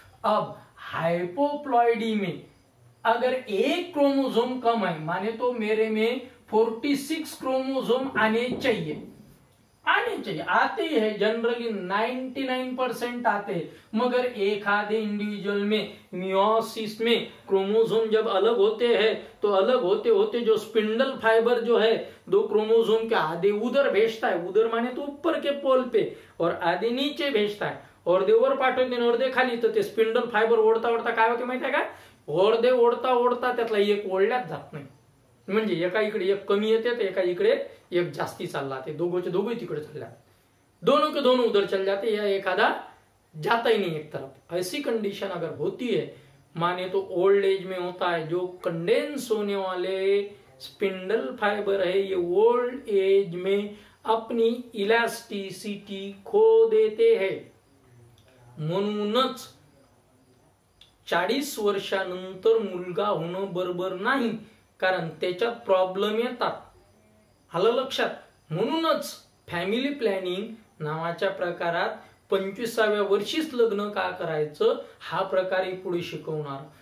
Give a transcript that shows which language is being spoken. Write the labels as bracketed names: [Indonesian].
[Hindi] अब हाइपोप्लॉइडी में अगर एक क्रोमोसोम कम है, माने तो मेरे में 46 क्रोमोसोम आने चाहिए आते ही है जनरली 99% आते हैं, मगर एक आधे इंडिविजुअल में मियोसिस में क्रोमोसोम जब अलग होते हैं तो अलग होते होते जो स्पिंडल फाइबर जो है दो क्रोमोसोम के आधे उधर भेजता है, उधर माने तो ऊपर के पोल पे, और आधे नीचे भेजता है, और [Marathi] देवर पाठवून देणे अर्धे खाली, तर ते स्पिंडल फायबर ओढता ओढता काय होते माहिती आहे का? अर्धे ओढता ओढता त्यातला एक ओढल्याच जात नाही. म्हणजे एका इकडे एक कमी येते तर एका इकडे एक जास्ती चालला, ते दोघोचे दोघे तिकडे चालल्या, [Hindi] दोनों के दोनों उधर चल जाते, या एखादा जाता ही नहीं एक तरफ. ऐसी कंडीशन अगर होती है माने तो ओल्ड एज में होता है. जो कंडेंस होने वाले स्पिंडल फाइबर है ये ओल्ड एज में अपनी इलास्टिसिटी खो देते है. [Marathi] म्हणूनच 40 वर्षानंतर मुलगा होणं बरोबर नाही, कारण त्याच्यात प्रॉब्लेम येतात. आलं लक्षात? म्हणूनच फॅमिली प्लॅनिंग नावाच्या प्रकारात 25व्या वर्षीच लग्न का करायचं हा प्रकार पुढे शिकवणार.